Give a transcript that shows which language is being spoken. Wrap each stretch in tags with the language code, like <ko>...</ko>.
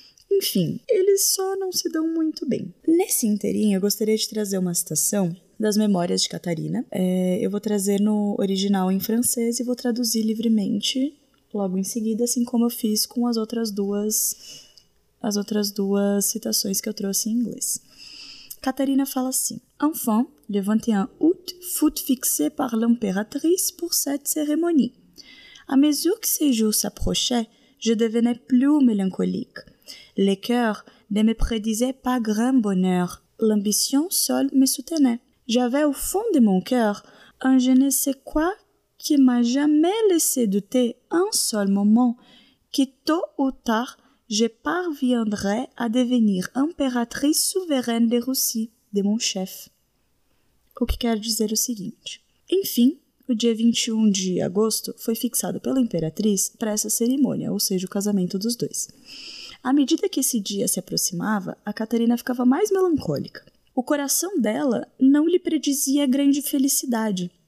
<pt>Enfim, eles só não se dão muito bem. Nesse inteirinho, eu gostaria de trazer uma citação das memórias de Catarina. Eu vou trazer no original em francês e vou traduzir livremente logo em seguida, assim como eu fiz com as outras duas citações que eu trouxe em inglês. Catarina fala assim:</pt> <fr>Enfin, le 21 août, fut fixé par l'impératrice pour cette cérémonie. À mesure que ces jours s'approchaient, je devenais plus mélancolique. Le cœur ne me prédisait pas grand bonheur. L'ambition seule me soutenait. J'avais au fond de mon cœur un je ne sais quoi qui m'a jamais laissé douter un seul moment que tôt ou tard je parviendrais à devenir impératrice souveraine de Russie, de mon chef.</fr> <pt>O que quer dizer o seguinte. Enfim, o dia 21 de agosto foi fixado pela imperatriz para essa cerimônia, ou seja, o casamento dos dois. À medida que esse dia se aproximava, a Catarina ficava mais melancólica. O coração dela não lhe predizia grande felicidade.</pt>